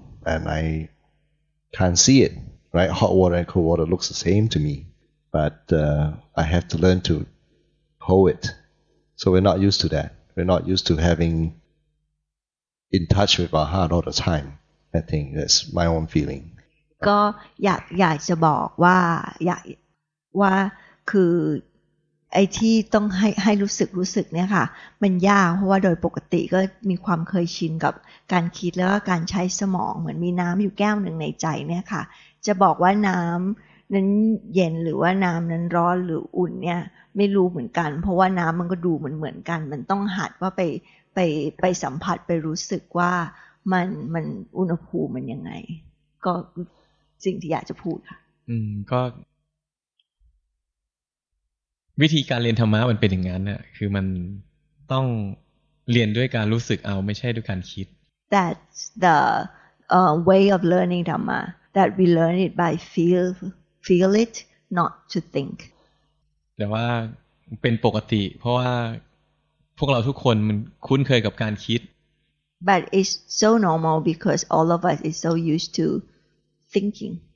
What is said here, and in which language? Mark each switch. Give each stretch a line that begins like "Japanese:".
English: And I can't see it, right? Hot water and cold water looks the same to me. But I have to learn to hold it. So we're not used to that. We're not used to having in touch with our heart all the time. I think that's my own feeling.
Thai: ก็อยากจะบอกว่าอยากว่าคือไอ้ที่ต้องให้รู้สึกเนี่ยค่ะมันยากเพราะว่าโดยปกติก็มีความเคยชินกับการคิดแล้วก็การใช้สมองเหมือนมีน้ำอยู่แก้วหนึ่งในใจเนี่ยค่ะจะบอกว่าน้ำนั้น เย็นหรือว่าน้ำนั้นร้อนหรืออุ่นเนี่ยไม่รู้เหมือนกันเพราะว่าน้ำมันก็ดูเหมือนกันมันต้องหัดว่าไปสัมผัสไปรู้สึกว่ามันอุณหภูมิมันยังไงก็สิ่งที่อยากจะพูดค่ะ ก็วิธีการเรียนธรรมะมันเป็นอย่างนั้นน่ะคือมันต้องเรียนด้วยการรู้สึกเอาไม่ใช่ด้วยการคิด
English: That's the way of learning Dhamma that we learn it by feel it not to think
Thai: แต่ว่าเป็นปกติเพราะว่าพวกเราทุกคนมันคุ้นเคยกับการคิด
English: But it's so normal because all of us is so used to thinking